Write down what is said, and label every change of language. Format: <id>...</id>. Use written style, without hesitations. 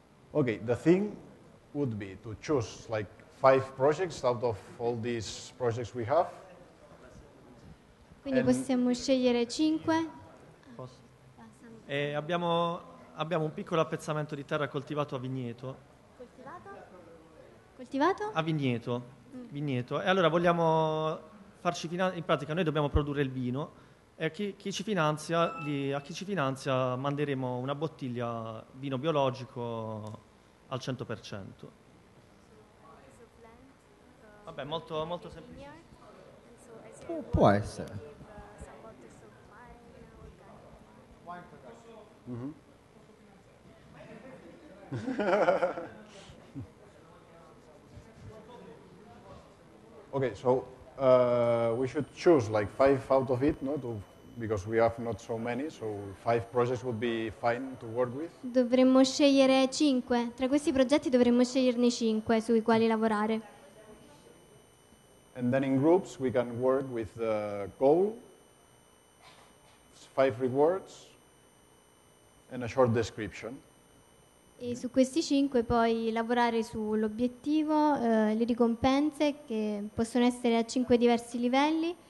<en>Okay, the thing would be to choose like five projects out of all these projects we have.</en> <it>Quindi possiamo scegliere cinque. E abbiamo un piccolo appezzamento di terra coltivato a vigneto. Coltivato? A vigneto. Vigneto. E allora vogliamo farci finanziare, in pratica noi dobbiamo produrre il vino e a chi ci finanzia manderemo una bottiglia vino biologico al 100%. Vabbè, molto, molto semplice. Può essere.</it> <en>Okay, so we should choose like five out of it, because we have not so many, so five projects would be fine to work with.</en> <it>Dovremmo scegliere cinque. Tra questi progetti dovremmo sceglierne cinque sui quali lavorare.</it> <en>And then in groups we can work with the goal, five rewards, and a short description.</en> <it>E su questi cinque poi lavorare sull'obiettivo, le ricompense che possono essere a cinque diversi livelli.</it>